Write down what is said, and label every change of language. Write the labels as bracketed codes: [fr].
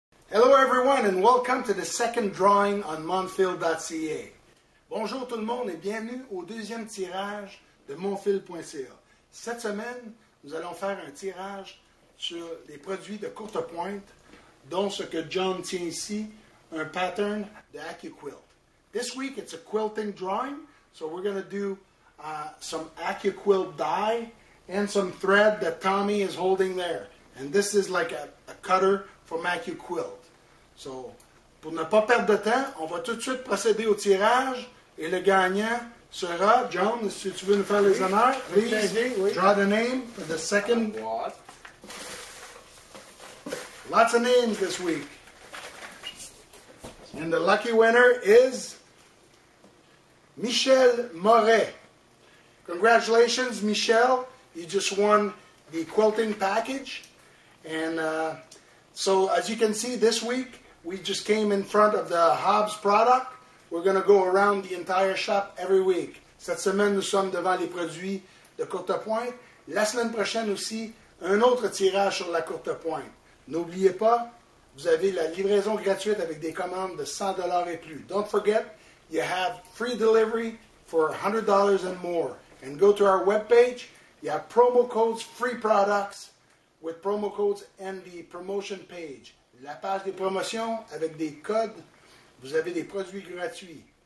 [en] Hello everyone and welcome to the second drawing on Monfil.ca. [fr] Bonjour tout le monde et bienvenue au deuxième tirage de Monfil.ca. Cette semaine, nous allons faire un tirage sur les produits de courte pointe, dont ce que John tient ici, un pattern de AccuQuilt. [en] This week, it's a quilting drawing, so we're going to do some AccuQuilt dye and some thread that Tommy is holding there. And this is like a cutter from AccuQuilt. [fr] So, pour ne pas perdre de temps, on va tout de suite procéder au tirage et le gagnant sera, John, si tu veux nous faire les honneurs, [en] please draw the name for the second. What? Lots of names this week. And the lucky winner is Michel Morais. Congratulations, Michel. You just won the quilting package. And so as you can see, this week, we just came in front of the Hobbs product. We're going to go around the entire shop every week. [fr] Cette semaine, nous sommes devant les produits de courte pointe. La semaine prochaine aussi, un autre tirage sur la courte pointe. N'oubliez pas, vous avez la livraison gratuite avec des commandes de 100$ et plus. [en] Don't forget, you have free delivery for $100 and more. And go to our webpage, you have promo codes, free products, with promo codes and the promotion page. [fr] La page des promotions avec des codes, vous avez des produits gratuits.